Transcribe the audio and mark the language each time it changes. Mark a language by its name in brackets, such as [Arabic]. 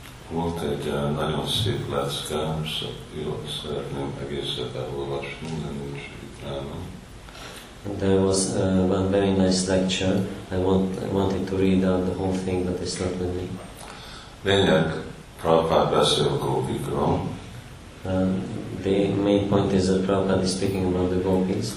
[Hungarian] Volt egy nagyon szép lecke, szóval szeretném egészet elolvasni, de nincs ütlenem. [English] There was one very nice lecture. I wanted to read out the whole thing, but it's not with me. [Hungarian] Lényeg, Prabhupada beszél gópikról. [English] The main point is that Prabhupada is speaking about the gopis.